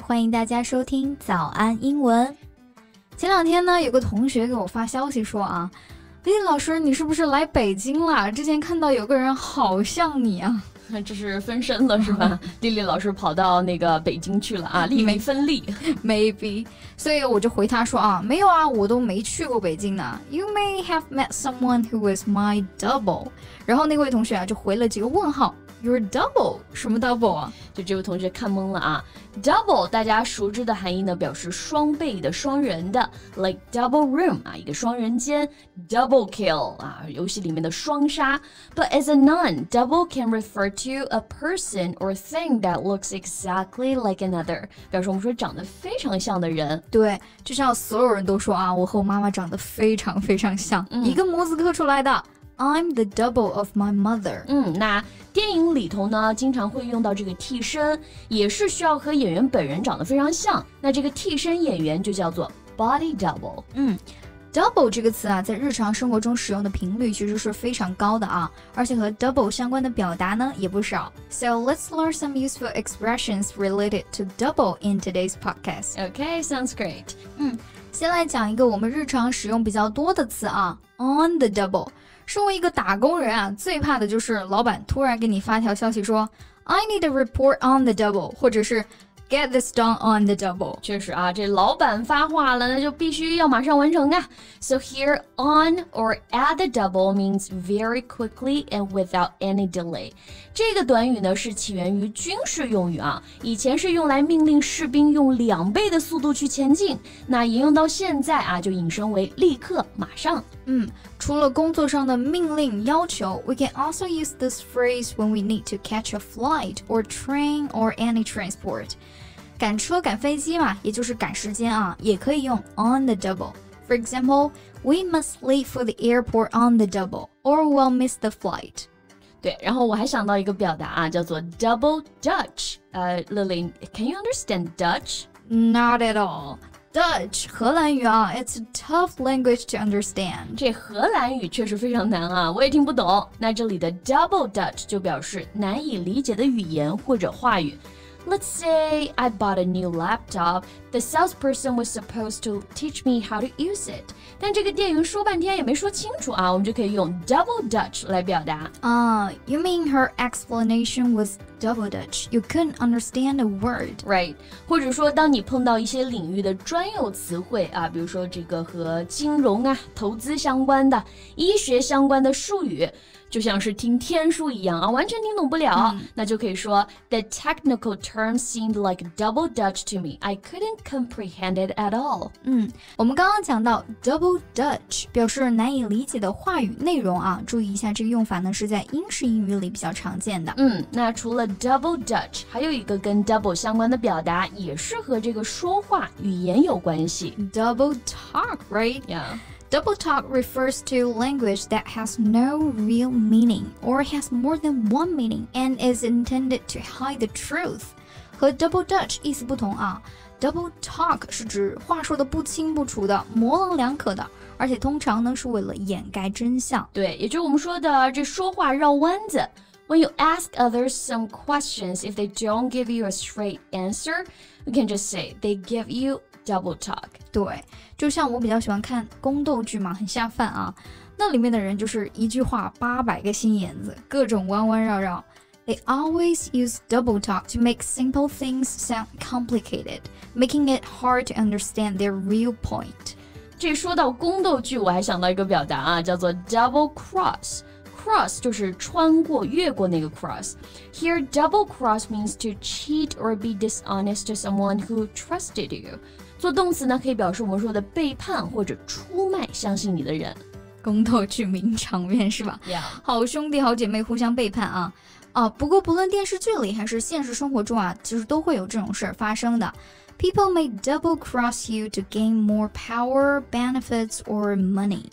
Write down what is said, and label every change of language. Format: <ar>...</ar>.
<zh>欢迎大家收听早安英文。前两天呢，有个同学给我发消息说啊，哎，老师，你是不是来北京了？之前看到有个人好像你啊。这是分身了是吧？丽丽老师跑到那个北京去了啊，丽丽分丽。</zh> <en>Maybe.</en> <zh>所以我就回他说啊，没有啊，我都没去过北京呢。</zh> <en>You may have met someone who is my double.</en> <zh>然后那位同学啊就回了几个问号。</zh> <en>Your double?</en> <zh>什么 double 啊？就这位同学看懵了啊。Double, 大家熟知的含义呢表示双倍的双人的。</zh> <en>Like double room,</en> <zh>啊一个双人间。</zh> <en>Double kill,</en> <zh>啊游戏里面的双杀。</zh> <en>But as a noun, double can refer to a person or thing that looks exactly like another.</en> <zh>表示我们说长得非常像的人。对，就像所有人都说啊，我和我妈妈长得非常非常像。一个模子刻出来的。</zh> <en>I'm the double of my mother.</en> <zh>那电影里头呢经常会用到这个替身，也是需要和演员本人长得非常像，那这个替身演员就叫做 body double. Double 这个词啊在日常生活中使用的频率其实是非常高的啊，而且和 double 相关的表达呢也不少。</zh> <en>So let's learn some useful expressions related to double in today's podcast. Okay, sounds great.</en> <zh>先来讲一个我们日常使用比较多的词啊， on the double. 身为一个打工人啊，最怕的就是老板突然给你发条消息说</zh> <en>I need a report on the double,</en> <zh>或者是</zh> <en>get this done on the double.</en> <zh>确实啊，这老板发话了，那就必须要马上完成啊。</zh> <en>So here, on or at the double means very quickly and without any delay.</en> <zh>这个短语呢是起源于军事用语啊，以前是用来命令士兵用两倍的速度去前进，那引用到现在啊，就引申为立刻、马上。除了工作上的命令要求</zh> <en>we can also use this phrase when we need to catch a flight or train or any transport.</en> <zh>赶车赶飞机嘛，也就是赶时间啊，也可以用 on the double.</zh> <en>For example, we must leave for the airport on the double, or we'll miss the flight.</en> <zh>对，然后我还想到一个表达啊，叫做 double Dutch.</zh> <en>Lily, can you understand Dutch? Not at all. Dutch, 荷兰语啊 it's a tough language to understand.</en> <zh>这荷兰语确实非常难啊，我也听不懂。那这里的 double Dutch 就表示难以理解的语言或者话语。</zh> <en>Let's say I bought a new laptop. The salesperson was supposed to teach me how to use it.</en> <zh>但这个店员说半天也没说清楚啊，我们就可以用 double Dutch 来表达。</zh> <en>You mean her explanation was double Dutch. You couldn't understand a word. Right.</en> <zh>或者说当你碰到一些领域的专有词汇啊，比如说这个和金融啊、投资相关的、医学相关的术语。就像是听天书一样啊，完全听懂不了。那就可以说</zh> <en>The technical term seemed like double Dutch to me. I couldn't comprehend it at all.</en> <zh>我们刚刚讲到 double Dutch 表示难以理解的话语内容啊，注意一下这个用法呢是在英式英语里比较常见的。那除了 double Dutch 还有一个跟 double 相关的表达也是和这个说话语言有关系。</zh> <en>Double talk, right? Yeah. Double talk refers to language that has no real meaning or has more than one meaning and is intended to hide the truth.</en> <zh>和 double Dutch 意思不同啊。Double talk 是指话说的不清不楚的、模棱两可的，而且通常呢是为了掩盖真相。对，也就是我们说的这说话绕弯子。</zh> <en>When you ask others some questions, if they don't give you a straight answer, you can just say they give you double talk.</en> <zh>对，就像我比较喜欢看宫斗剧嘛，很下饭啊。那里面的人就是一句话八百个心眼子，各种弯弯绕绕。</zh> <en>They always use double talk to make simple things sound complicated, making it hard to understand their real point.</en> <zh>这说到宫斗剧，我还想到一个表达啊，叫做 double cross. Cross 就是穿过、越过那个 cross.</zh> <en>Here, double cross means to cheat or be dishonest to someone who trusted you.</en> <zh>做动词呢，可以表示我们说的背叛或者出卖相信你的人。宫斗剧名场面是吧？</zh> <en>Yeah.</en> <zh>好兄弟、好姐妹互相背叛啊。不过不论电视剧里还是现实生活中啊，其实都会有这种事发生的。</zh> <en>People may double cross you to gain more power, benefits, or money.</en>